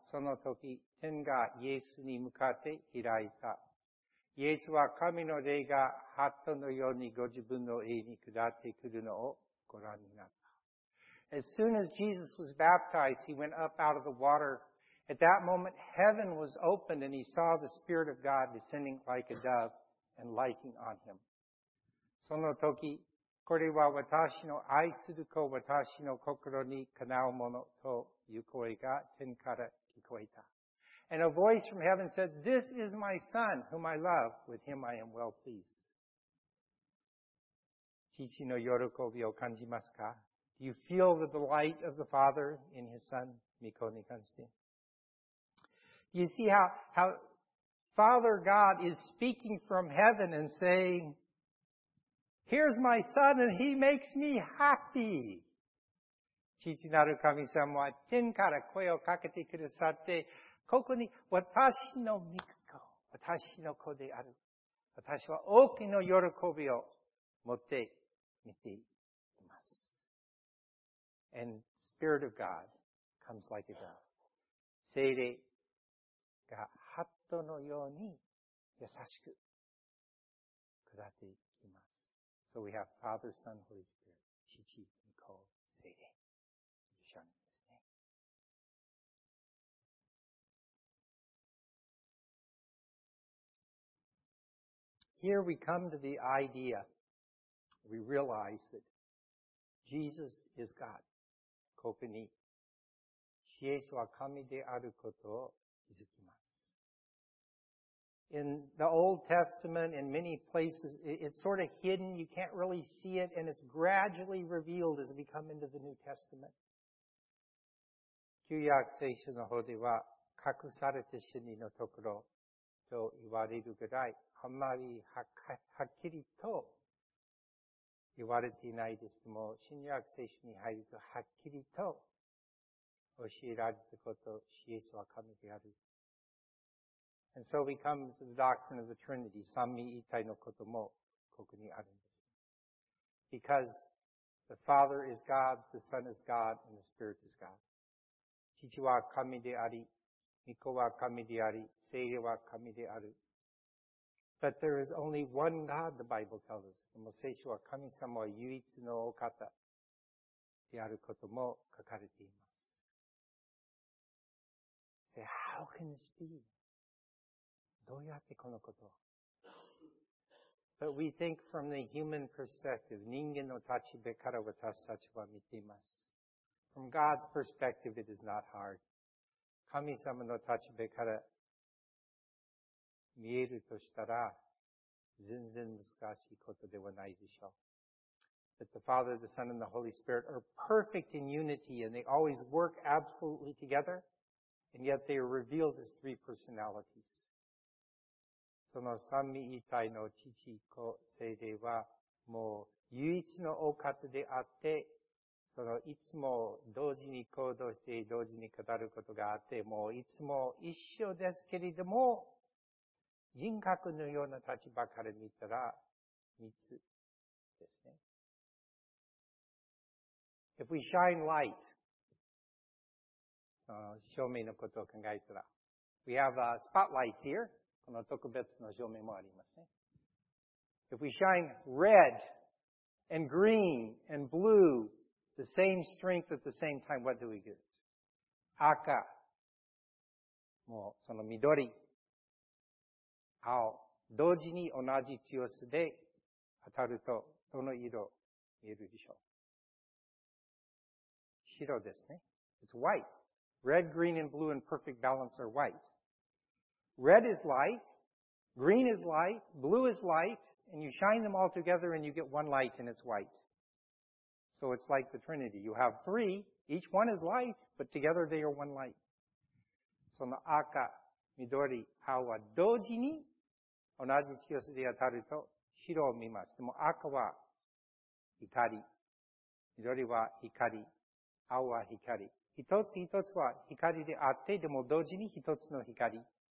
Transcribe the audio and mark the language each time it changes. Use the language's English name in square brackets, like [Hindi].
[Japanese] その時天がイエスに向かって開いた。イエスは神の霊が鳩のようにご自分の栄に下ってくるのをご覧になった。 [English] As soon as Jesus was baptized, he went up out of the water. At that moment, heaven was opened and he saw the Spirit of God descending like a dove and lighting on him. [Japanese] その時これは私の愛する子、私の心にかなうものという声が天から聞こえた。 [English] And a voice from heaven said, This is my son, whom I love, with him I am well pleased. [Japanese] 父の喜びを感じますか? [English] Do you feel the delight of the Father in his son, [Japanese] 御子に関して? [English] Do you see how Father God is speaking from heaven and saying,Here's my son and he makes me happy. [Japanese] 父なる神様は天から声をかけてくださって、ここに私の御子、私の子である。私は大きな喜びを持って見ていま [English] and Spirit of God comes like a dove. [Japanese] 聖霊が鳩のように優しく下っていきます。 [English] So we have Father, Son, Holy Spirit, [Japanese] 父、御子、聖霊。一緒にですね。 [English] Here we come to the idea, we realize that Jesus is God. [Japanese] ここに、イエスは神であることを気づきます。 [English] In the Old Testament, in many places, it's sort of hidden. You can't really see it. And it's gradually revealed as we come into the New Testament. [Japanese] 旧約聖書の方では、隠された真理のところと言われるぐらい、あまりはっきりと言われていないですけども、新約聖書に入るとはっきりと教えられたこと、イエスは神である。 [English] And so we come to the doctrine of the Trinity. [Japanese] 三位一体のこともここにあるんです。 [English] Because the Father is God, the Son is God, and the Spirit is God. [Japanese] 父は神であり、御子は神であり、聖霊は神である。 [English] But there is only one God, the Bible tells us. [Japanese] でも聖書は神様は唯一のお方であることも書かれています。 [English] Say, how can this be? [Japanese] どうやってこのことを? [English] But we think from the human perspective, [Japanese] 人間の立場から私たちは見ています。 [English] From God's perspective, it is not hard. [Japanese] 神様の立場から見えるとしたら、全然難しいことではないでしょう。 [English] That the Father, the Son, and the Holy Spirit are perfect in unity, and they always work absolutely together, and yet they are revealed as three personalities. [Japanese] その三位一体の父子聖霊はもう唯一のお方であって、そのいつも同時に行動して同時に語ることがあって、もういつも一緒ですけれども、人格のような立場から見たら三つですね。 [English] If we shine light, [Japanese] 照明のことを考えたら、 [English] We have a spotlight here. [Japanese] この特別の照明もありますね。 [English] If we shine red and green and blue the same strength at the same time, what do we get? [Japanese] 赤、もうその緑、青、同時に同じ強さで当たるとどの色見えるでしょう。白ですね。 [English] It's white. Red, green and blue in perfect balance are white. Red is light, green is light, blue is light, and you shine them all together and you get one light and it's white. So it's like the Trinity. You have three, each one is light, but together they are one light. [Japanese] その赤、緑、青は同時に同じ強さで当たると白を見ます。でも赤は怒り、緑は光、青は光。一つ一つは光であって、でも同時に一つの光。